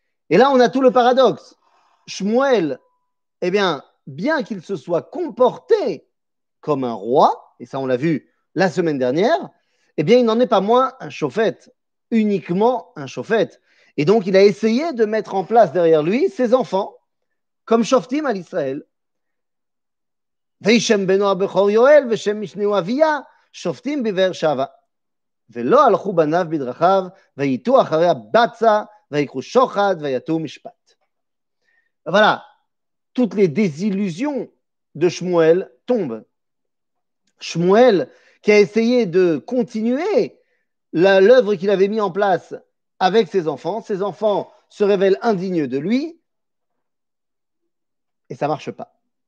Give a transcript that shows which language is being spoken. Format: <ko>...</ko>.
<fr>Et là, on a tout le paradoxe. Shmuel, eh bien, bien qu'il se soit comporté comme un roi, et ça, on l'a vu la semaine dernière, eh bien, il n'en est pas moins un chauffette, uniquement un chauffette. Et donc, il a essayé de mettre en place derrière lui ses enfants comme shoftim à l'Israël.</fr> <he>וישם בנו הבכור יואל ושם משנהו אביה שופטים בבאר שבע ולא הלכו בניו בדרכיו ויתו אחרי הבצע ויקחו שוחד ויתו משפט.</he> <fr>Voilà, toutes les désillusions de Shmuel tombent. Shmuel, qui a essayé de continuer l'œuvre qu'il avait mis en place avec ses enfants se révèlent indignes de lui et ça ne marche pas.</fr>